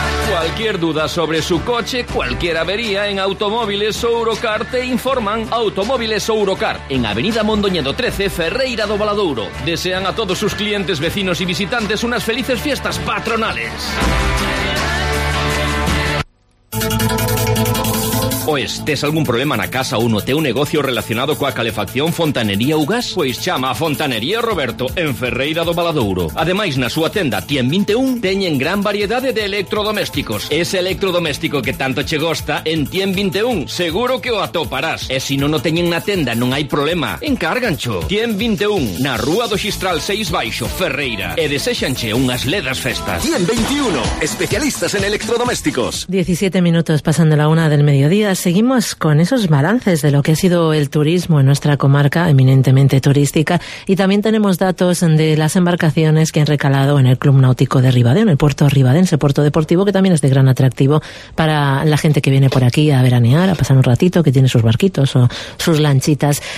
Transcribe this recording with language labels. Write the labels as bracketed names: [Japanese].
[Spanish] Cualquier duda sobre su coche, cualquier avería, en Automóviles Ourocar te informan. Automóviles Ourocar, en Avenida Mondoñedo 13, Ferreira do Valadouro. Desean a todos sus clientes, vecinos y visitantes unas felices fiestas patronales. [Galician] Pues, ¿tes algún problema na casa ou no teu negocio relacionado coa calefacción, fontanería ou gas? Pois chama a Fontanería Roberto en Ferreira do Valadouro. Ademais, na súa tenda Tien 21 teñen gran variedade de electrodomésticos. Ese electrodoméstico que tanto che gosta en Tien 21, seguro que o atoparás. E si non o teñen na tenda, non hai problema. Encárganxo. Tien 21, na Rúa do Xistral 6 Baixo, Ferreira. E desexanche unhas ledas festas. Tien 21, especialistas en electrodomésticos. [Spanish] 17 minutos pasando la una del mediodía. Seguimos con esos balances de lo que ha sido el turismo en nuestra comarca, eminentemente turística. Y también tenemos datos de las embarcaciones que han recalado en el Club Náutico de Ribadeo, en el puerto ribadense, puerto deportivo, que también es de gran atractivo para la gente que viene por aquí a veranear, a pasar un ratito, que tiene sus barquitos o sus lanchitas.